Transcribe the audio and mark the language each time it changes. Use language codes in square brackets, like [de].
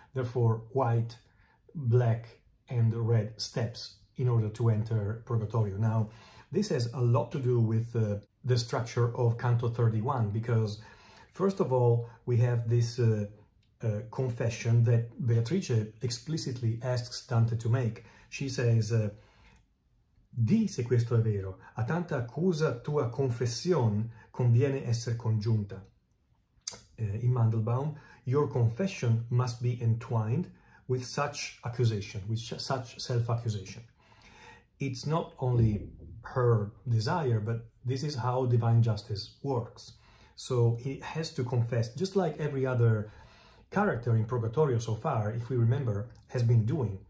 [en] Therefore, white, black, and red steps in order to enter Purgatorio. Now, this has a lot to do with the structure of Canto 31, because first of all, we have this confession that Beatrice explicitly asks Dante to make. She says, [it] "Di se questo è vero, a tanta accusa tua confession conviene essere congiunta." [en] In Mandelbaum, your confession must be entwined with such accusation, with such self-accusation. It's not only her desire, but this is how divine justice works. So he has to confess, just like every other character in Purgatorio so far, if we remember, has been doing.